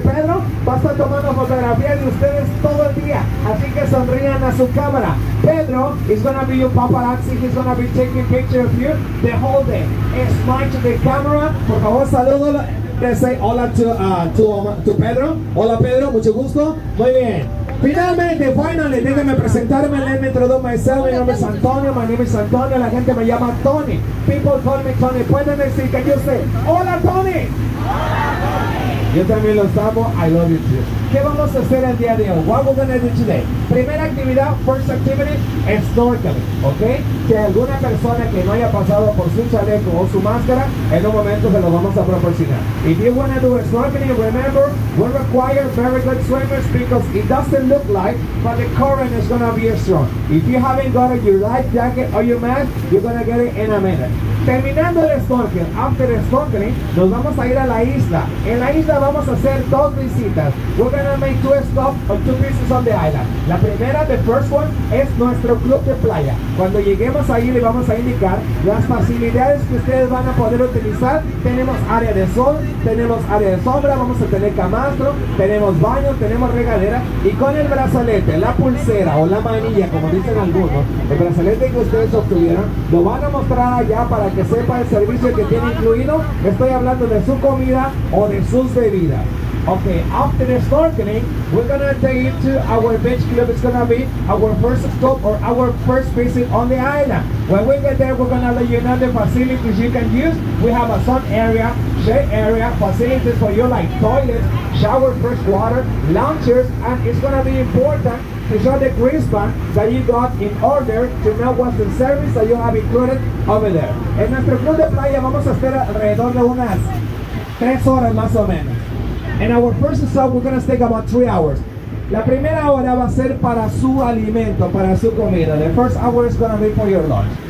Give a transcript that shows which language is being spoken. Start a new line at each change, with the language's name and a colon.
Spanish: Pedro, va a estar tomando fotografías de ustedes todo el día. Así que sonrían a su cámara. Pedro
English: is gonna be your paparazzi. He's gonna be taking pictures of you the whole day. Smile to the camera.
Spanish: Por favor, salúdalo.
English: Let's say
Spanish: hola to Pedro. Hola, Pedro. Mucho gusto. Muy bien. Finalmente,
English: finally,
Spanish: déjame presentarme,
English: let me introduce myself, my name is Antonio,
Spanish: la gente me llama Tony,
English: people call me Tony,
Spanish: pueden decir que yo sé, hola Tony, hola Tony, yo también los amo,
English: I love you too.
Spanish: ¿Qué vamos a hacer el día de hoy?
English: What we're gonna do today?
Spanish: Primera actividad,
English: first activity,
Spanish: snorkeling, ok, que alguna persona que no haya pasado por su chaleco o su máscara, en un momento se lo vamos a proporcionar.
English: If you wanna do snorkeling, remember, we require very good swimmers because it doesn't look like, but the current is gonna be strong. If you haven't got your life jacket or your mask, you're gonna get it in a minute.
Spanish: Terminando el snorkeling,
English: after the snorkeling,
Spanish: nos vamos a ir a la isla. En la isla vamos a hacer dos visitas. We're gonna make two stops or two pieces on the island. La primera,
English: the first one,
Spanish: es nuestro club de playa. Cuando lleguemos ahí, le vamos a indicar las facilidades que ustedes van a poder utilizar. Tenemos área de sol, tenemos área de sombra, vamos a tener camastro, tenemos baño, tenemos regadera. Y con el brazalete, la pulsera o la manilla, como dicen algunos, el brazalete que ustedes obtuvieron, lo van a mostrar allá para que sepa el servicio que tiene incluido. Estoy hablando de su comida o de sus bebidas.
English: Okay, after the snorkeling, we're gonna take you to our beach club. It's gonna be our first stop or our first visit on the island. When we get there, we're gonna let you know the facilities you can use. We have a sun area, shade area, facilities for you like toilets, shower, fresh water, launchers, and it's gonna be important to show the wristband that you got in order to know what's the service that you have included over there.
Spanish: En nuestro club de playa vamos a estar alrededor de unas 3 horas más o menos. In our first stop, we're going to take about 3 hours. La primera hora va a ser para su alimento, para su comida.
English: The first hour is going to be for your lunch.